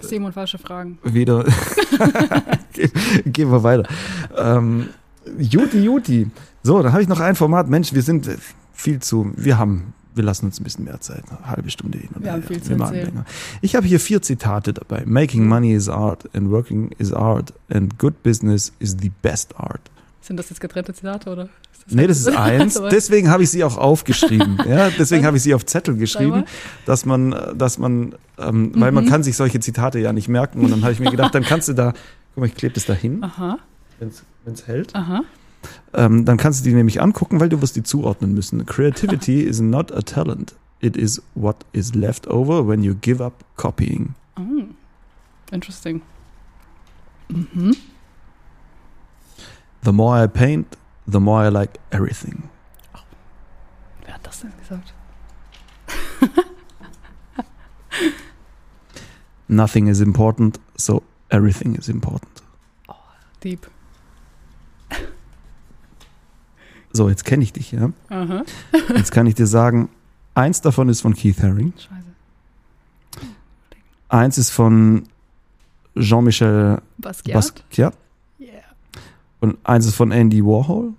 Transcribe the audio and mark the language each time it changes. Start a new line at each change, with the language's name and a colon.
German: Simon, falsche Fragen. Wieder, gehen wir weiter. Juti. So, dann habe ich noch ein Format. Mensch, wir lassen uns ein bisschen mehr Zeit, eine halbe Stunde hin. Oder wir haben viel zu erzählen. Länger. Ich habe hier 4 Zitate dabei.
English: Making money is art and working is art and good business is the best art.
German: Sind das jetzt getrennte Zitate, oder? Nee, das ist eins. Deswegen habe ich sie auch aufgeschrieben. Ja, deswegen habe ich sie auf Zettel geschrieben, dass man weil man kann sich solche Zitate ja nicht merken. Und dann habe ich mir gedacht, dann kannst du da, guck mal, ich klebe das da hin, wenn es hält. Aha. Dann kannst du die nämlich angucken, weil du wirst die zuordnen müssen.
English: Creativity is not a talent. It is what is left over when you give up copying. Oh. Interesting. The more I paint, the more I like everything.
German: Oh. Wer hat das denn gesagt?
English: Nothing is important, so everything is important. Oh, deep.
German: So, jetzt kenne ich dich, ja? Uh-huh. Jetzt kann ich dir sagen, eins davon ist von Keith Haring. Scheiße. Eins ist von Jean-Michel Basquiat. Und eins ist von Andy Warhol.